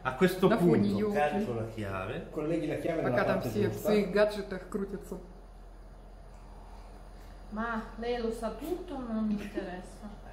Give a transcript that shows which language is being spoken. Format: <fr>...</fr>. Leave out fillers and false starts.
<it>А questo punto, carico la chiave. Colleghi la chiave.</it> <ru>Пока там все в своих гаджетах крутятся.</ru> <it>Ma lei lo sa tutto, non mi interessa.</it>